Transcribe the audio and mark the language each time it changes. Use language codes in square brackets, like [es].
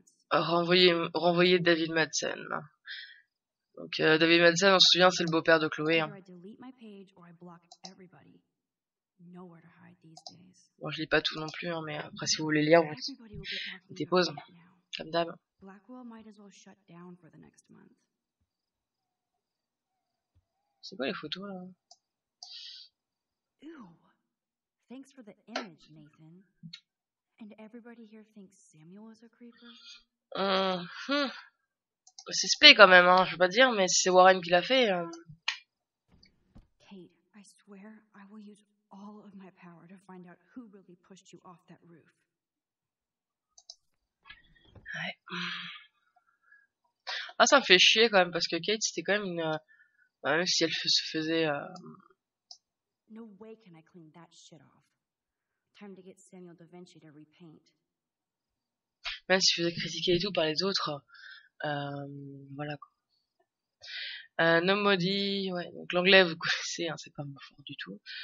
[fr] Renvoyer David Madsen. Donc David Madsen, on se souvient, c'est le beau-père de Chloé. Hein. Bon, je lis pas tout non plus, hein, mais après si vous voulez lire, vous mettez pause, comme d'hab. [en] Blackwell might as well shut down for the next month. [fr] C'est quoi les photos là? [en] Ew. Thanks for the image, Nathan. And everybody here thinks Samuel is a creeper? [fr] C'est spé quand même, hein, je veux pas dire, mais c'est Warren qui l'a fait. [en] Kate, I swear I will use all of my power to find out who really pushed you off that roof. [fr] Ouais. Ah, ça me fait chier quand même parce que Kate c'était quand même une. Même si elle se faisait. [en] No way can I clean that shit off. Time to get Samuel da Vinci to repaint. [fr] Même si elle se faisait critiquer et tout par les autres. Voilà quoi. [en] Nobody. [fr] Ouais, donc l'anglais vous connaissez, hein, c'est pas mon fort du tout.